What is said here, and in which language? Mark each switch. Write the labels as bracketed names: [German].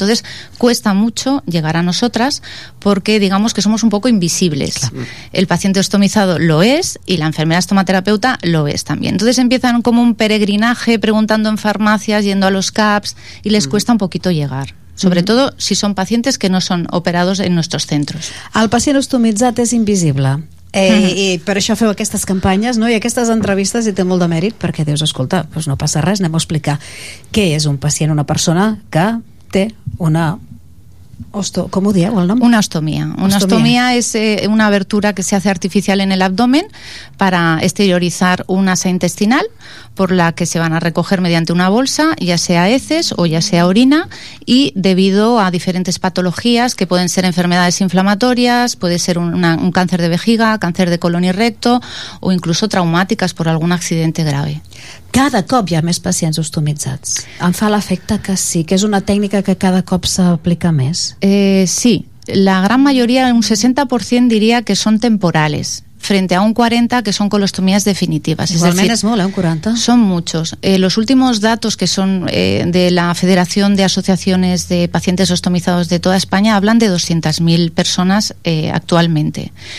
[Spanish] Entonces cuesta mucho llegar a nosotras porque digamos que somos un poco invisibles. Claro. El paciente ostomizado lo es y la enfermera estomaterapeuta lo es también. Entonces empiezan como un peregrinaje preguntando en farmacias, yendo a los CAPs, y les cuesta un poquito llegar, sobre todo si son pacientes que no son operados en nuestros centros. [Catalan] El pacient ostomitzat és invisible. I per això feu aquestes campanyes, no? I aquestes entrevistes, i té molt de mèrit, perquè dius, escolta, doncs no passa res, anem a explicar què és un pacient, una persona que té una... [Spanish] ¿Cómo lo digo el nombre? Una ostomía. Una ostomía es una abertura que se hace artificial en el abdomen para exteriorizar un asa intestinal por la que se van a recoger mediante una bolsa, ya sea heces o ya sea orina, y debido a diferentes patologías que pueden ser enfermedades inflamatorias, puede ser un cáncer de vejiga, cáncer de colon y recto o incluso traumáticas por algún accidente grave. [Catalan] Cada cop hi ha més pacients ostomitzats. Em fa l'efecte que sí, que és una tècnica que cada cop s'aplica més. Sí, la gran majoria, un 60% diria que són temporals, [Spanish] frente a [Catalan] un 40% que són colostomies definitives. Igualment és molt, un 40%. Són molts. [Spanish] Los últimos datos que són de la Federación de Asociaciones de Pacientes Ostomizados de toda España hablan de 200.000 personas actualmente.